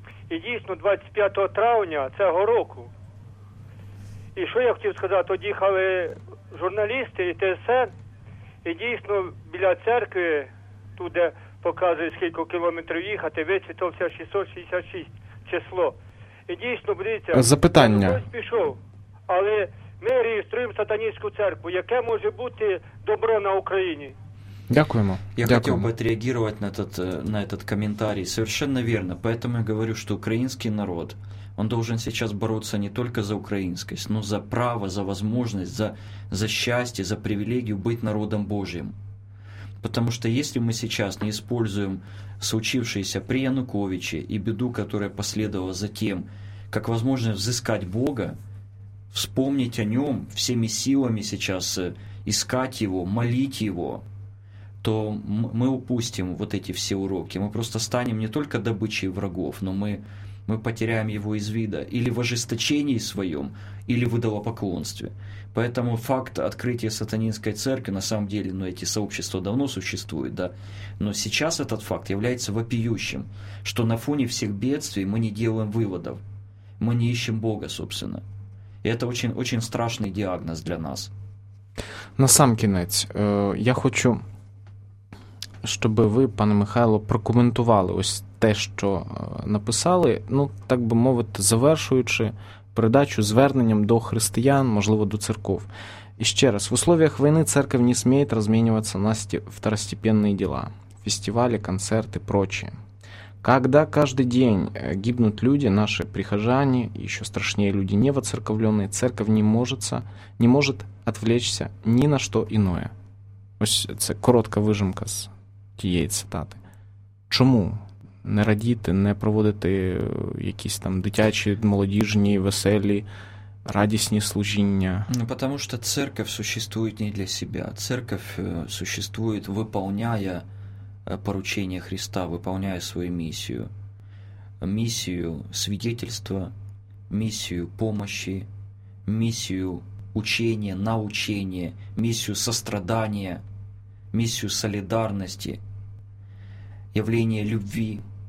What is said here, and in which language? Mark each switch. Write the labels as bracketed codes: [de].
[uk] І дійсно 25 травня цього року. І що я хотів сказати, тоді їхали журналісти і ТСН, і дійсно біля церкви, тут де показує, скільки кілометрів їхати, висвітився 666 число. І дійсно, дивіться, запитання. Хтось пішов. Але ми реєструємо сатанінську церкву. Яке може бути добро на Україні? Дякуємо. Я хотів би відреагувати на [ru] этот коментарий. Совершенно верно. Поэтому я говорю, что украинский народ, он должен сейчас бороться не только за украинскость, но за право, за возможность, за счастье, за привилегию быть народом Божьим. Потому что если мы сейчас не используем случившееся при Януковиче и беду, которая последовала за тем, как возможность взыскать Бога, вспомнить о нем, всеми силами сейчас искать его, молить его, то мы упустим вот эти все уроки. Мы просто станем не только добычей врагов, но мы потеряем его из вида или в ожесточении своем, или в идолопоклонстве. Поэтому факт открытия сатанинской церкви, на самом деле, ну, эти сообщества давно существуют, да, но сейчас этот факт является вопиющим, что на фоне всех бедствий мы не делаем выводов, мы не ищем Бога, собственно. [uk] І це дуже, дуже страшний діагноз для нас. На сам кінець, я хочу, щоб ви, пане Михайло, прокоментували ось те, що написали, ну, так би мовити, завершуючи передачу зверненням до християн, можливо, до церков. І ще раз, [ru] в условиях [uk] війни церква не сміє розмінюватися на второстепенні діла, фестивалі, концерти, прочі. [ru] Когда каждый день гибнут люди, наши прихожане, еще страшнее люди невоцерковленные, церковь не может отвлечься ни на что иное. Это короткая выжимка с [uk] тієї [ru] цитаты. [uk] Чому не радіти, не проводити якісь там дитячі, молодіжні, веселі, радісні служіння? [ru] Ну, потому что церковь существует не для себя. Церковь существует, выполняя поручение Христа, выполняя свою миссию. Миссию свидетельства, миссию помощи, миссию учения, научения, миссию сострадания, миссию солидарности, явление любви.